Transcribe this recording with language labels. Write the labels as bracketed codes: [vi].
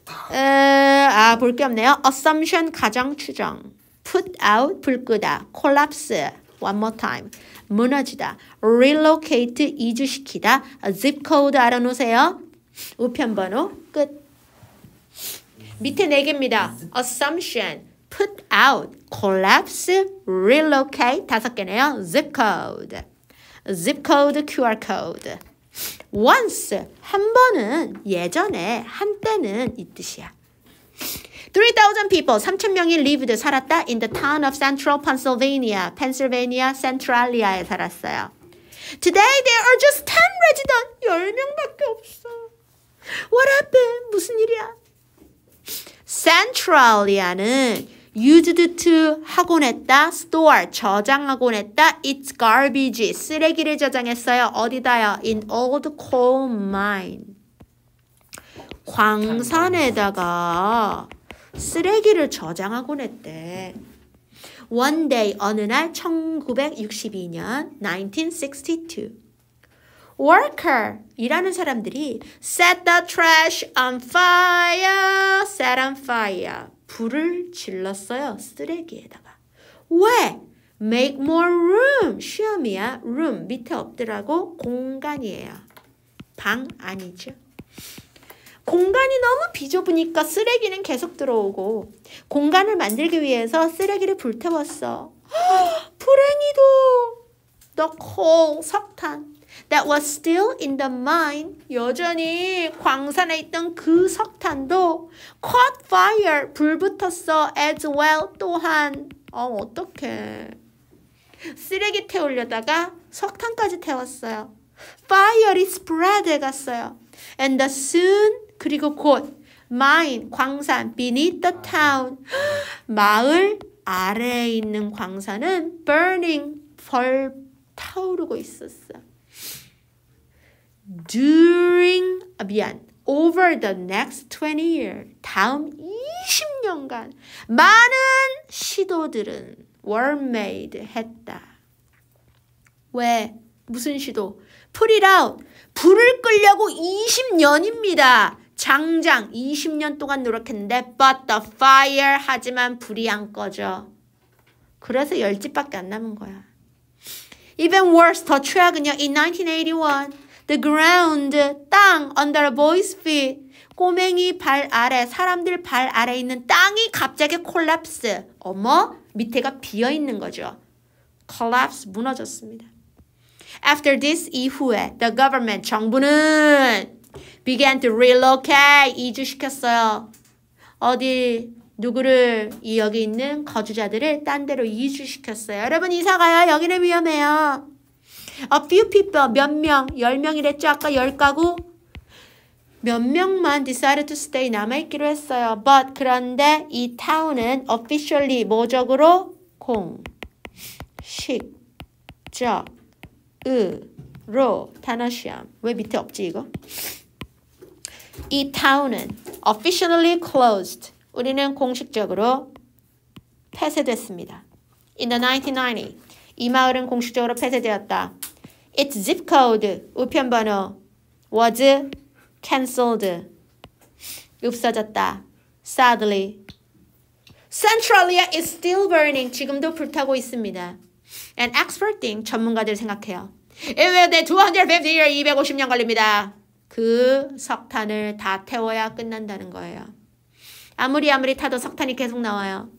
[ko] 아 볼 게 없네요. Assumption 가정 추정. [en] Put out [ko] 불 끄다. [en] Collapse one more time. [ko] 무너지다. Relocate 이주시키다. Zip code 알아놓으세요. 우편번호 끝. 밑에 네 개입니다. [en] Assumption, put out, collapse, relocate [ko] 다섯 개네요. [en] Zip code. zip code, QR code. Once, [ko] 한 번은, 예전에, 한때는 이 뜻이야. [en] 3,000 people, [ko] 3,000명이 [en] lived, 살았다 in the town of central Pennsylvania, Pennsylvania, [ko] Centralia에 살았어요. [en] Today there are just 10 residents, [ko] 10명밖에 없어. [en] What happened? [ko] 무슨 일이야? Centralia는 [en] used to [ko] 하곤 했다, store, 저장하곤 했다, [en] it's garbage, [ko] 쓰레기를 저장했어요. 어디다요? [en] In old coal mine. [ko] 광산에다가 쓰레기를 저장하곤 했대. [en] One day, [ko] 어느 날, [en] 1962년, 1962. Worker, [ko] 일하는 사람들이 [en] set the trash on fire, set on fire. [ko] 불을 질렀어요, 쓰레기에다가. 왜? [en] Make more room, [ko] 쉬엄이야, [en] room. [ko] 밑에 없더라고, 공간이에요. 방 아니죠. 공간이 너무 비좁으니까 쓰레기는 계속 들어오고 공간을 만들기 위해서 쓰레기를 불태웠어. 불행히도 [en] the coal, 석탄 that was still in the mine, [ko] 여전히 광산에 있던 그 석탄도 [en] caught fire, 불붙었어. As well, [ko] 또한 어떡해. 쓰레기 태우려다가 석탄까지 태웠어요. Fire이 spread 해갔어요. [en] And the soon, [ko] 그리고 곧 mine, 광산, [en] beneath the town, [ko] 마을 아래에 있는 광산은 burning, 벌 타오르고 있었어. [en] During, 미안, over the next 20 years, [ko] 다음 20년간 많은 시도들은 [en] were made, 했다. [ko] 왜? 무슨 시도? [en] Put it out, [ko] 불을 끌려고 20년입니다. 장장 20년 동안 노력했는데 [en] but the fire, [ko] 하지만 불이 안 꺼져. 그래서 열 집밖에 안 남은 거야. [en] Even worse, [ko] 더 최악은요. [en] In 1981, the ground, [ko] 땅 [en] under a boy's feet, [ko] 꼬맹이 발 아래, 사람들 발 아래 있는 땅이 갑자기 collapse. 어머, 밑에가 비어 있는 거죠. Collapse, 무너졌습니다. [en] After this, [ko] 이후에 [en] the government, [ko] 정부는 [en] began to relocate, 이주시켰어요. [ko] 어디, 누구를, 여기 있는 거주자들을 딴 데로 이주시켰어요. 여러분, 이사가요. 여기는 위험해요. A few people, 몇 명, 열 명이랬죠? 아까 열 가구? 몇 명만 [en] decided to stay, [ko] 남아있기로 했어요. But, 그런데 이 town은 officially, 모적으로, 공, 식, 적, 으, 로, 단어 시험. 왜 밑에 없지, 이거? 이 타운은 [en] officially closed. [ko] 우리는 공식적으로 폐쇄됐습니다. [en] In the 1990s, [ko] 이 마을은 공식적으로 폐쇄되었다. [en] Its zip code, [ko] 우편번호, [en] was cancelled. [ko] 없어졌다. [en] Sadly, Centralia is still burning. [ko] 지금도 불타고 있습니다. [en] And expert think, [ko] 전문가들 생각해요. [en] It will take 250 years, 250년 걸립니다. [ko] 그 석탄을 다 태워야 끝난다는 거예요. 아무리 아무리 타도 석탄이 계속 나와요.